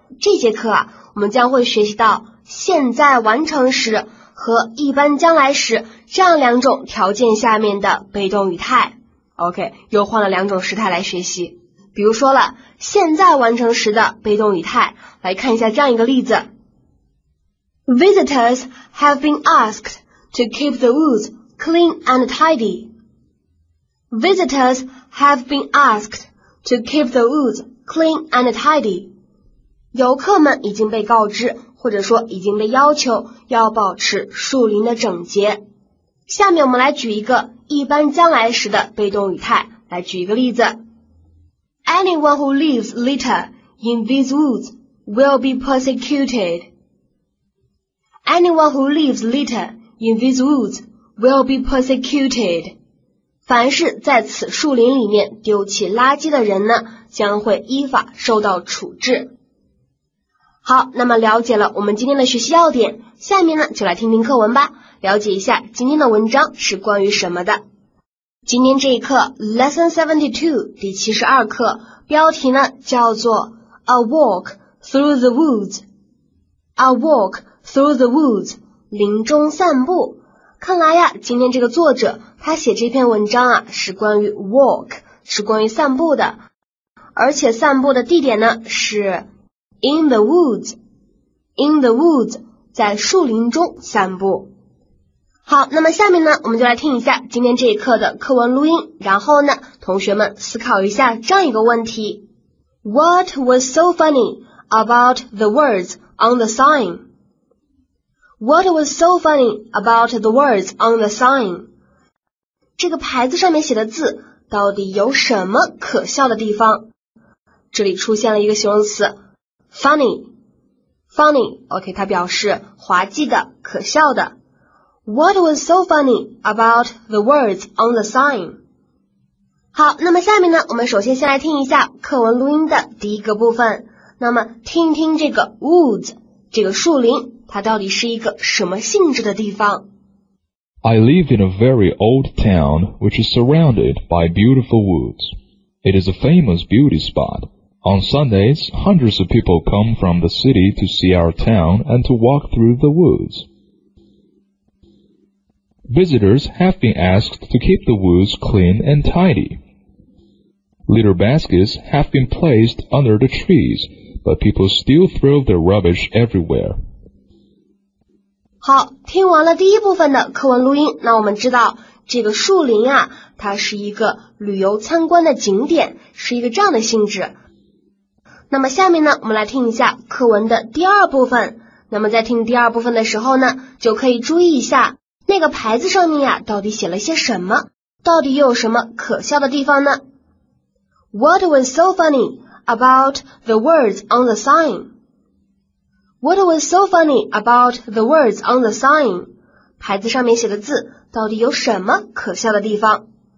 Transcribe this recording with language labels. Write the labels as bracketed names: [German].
[Chinese] 这节课啊，我们将会学习到现在完成时和一般将来时这样两种条件下面的被动语态。 OK, 又换了两种时态来学习。比如说了现在完成时的被动语态，来看一下这样一个例子。 [English] Visitors have been asked to keep the woods clean and tidy. Visitors have been asked to keep the woods clean and tidy. [Chinese] 游客们已经被告知，或者说已经被要求要保持树林的整洁。下面我们来举一个一般将来时的被动语态，来举一个例子。 [English] Anyone who leaves litter in these woods will be persecuted. Anyone who leaves litter in these woods will be persecuted. [Chinese] 凡是在此树林里面丢弃垃圾的人呢，将会依法受到处置。好，那么了解了我们今天的学习要点，下面呢就来听听课文吧，了解一下今天的文章是关于什么的。今天这一课 Lesson 72第72课标题呢叫做 A Walk Through the Woods, A Walk Through the Woods, 林中散步。看来呀，今天这个作者他写这篇文章啊是关于 walk, 是关于散步的，而且散步的地点呢是 [English] In the woods, [Chinese] 在树林中散步。好，那么下面呢，我们就来听一下今天这一课的课文录音，然后呢，同学们思考一下这样一个问题。 [English] What was so funny about the words on the sign? What was so funny about the words on the sign? [Chinese] 这个牌子上面写的字到底有什么可笑的地方？这里出现了一个形容词Funny, OK, 它表示滑稽的、可笑的。 [English] What was so funny about the words on the sign? [Chinese] 好，那么下面呢，我们首先先来听一下课文录音的第一个部分。那么听听这个 woods, 这个树林，它到底是一个什么性质的地方？ [English] I live in a very old town which is surrounded by beautiful woods. It is a famous beauty spot. On Sundays, hundreds of people come from the city to see our town and to walk through the woods. Visitors have been asked to keep the woods clean and tidy. Litter baskets have been placed under the trees, but people still throw their rubbish everywhere. [Chinese] 好，听完了第一部分的课文录音，那我们知道这个树林啊，它是一个旅游参观的景点，是一个这样的性质。那么下面呢，我们来听一下课文的第二部分。那么在听第二部分的时候呢，就可以注意一下那个牌子上面呀，到底写了些什么，到底又有什么可笑的地方呢？ [English] What was so funny about the words on the sign? What was so funny about the words on the sign? [Chinese] 牌子上面写的字到底有什么可笑的地方？